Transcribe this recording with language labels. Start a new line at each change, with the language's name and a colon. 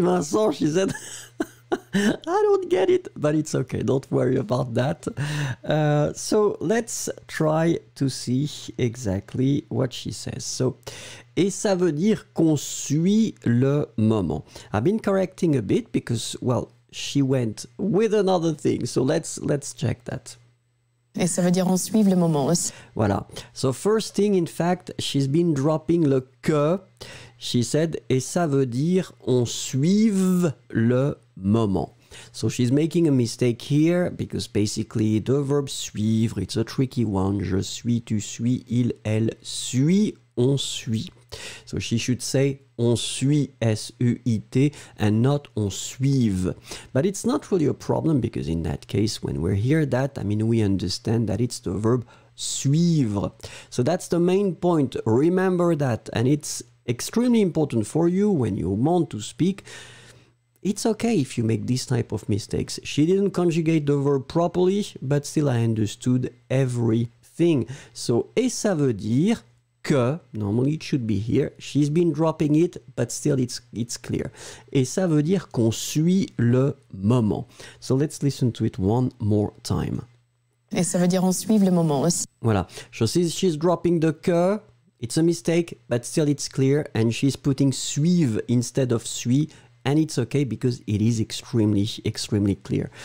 English: Vincent, she said, I don't get it, but it's okay. Don't worry about that. So let's try to see exactly what she says.
French: So, et ça veut dire qu'on suit le moment.
English: I've been correcting a bit because, well, she went with another thing. So let's check that.
French: Et ça veut dire on suit le moment aussi. Voilà.
English: So first thing, in fact, she's been dropping le que. She said, et ça veut dire on suit le moment. So she's making a mistake here because basically the verb suivre, it's a tricky one.
French: Je suis, tu suis, il, elle suit on suit.
English: So she should say on suit, S-U-I-T, and not on suive. But it's not really a problem because in that case, when we hear that, I mean, we understand that it's the verb suivre. So that's the main point. Remember that. And it's extremely important for you when you want to speak. It's okay if you make these type of mistakes. She didn't conjugate the verb properly, but still I understood everything. So,
French: et ça veut dire que,
English: normally it should be here, she's been dropping it, but still it's clear.
French: Et ça veut dire qu'on suit le moment.
English: So let's listen to it one more time.
French: Et ça veut dire on suit le moment aussi.
English: Voilà, so she's dropping the que. It's a mistake, but still it's clear, and she's putting suive instead of suit, and it's okay because it is extremely, extremely clear.